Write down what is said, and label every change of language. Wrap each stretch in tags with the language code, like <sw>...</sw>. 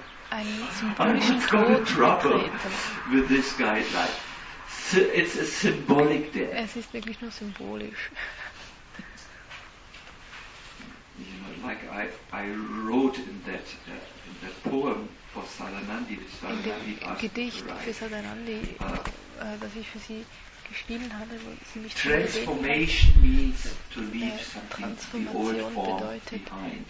<en>I'm not going to trouble with this guideline. It's a symbolic death.</en> <de>Es ist wirklich nur symbolisch.</de> <en>You know, like I wrote in that poem for Sadanandi, which Sadanandi asked to write.</en> <de>Gedicht für Sadanandi, das ich für sie geschrieben hatte, wo sie mich</de> <en>Transformation means to leave something the old form behind.</en>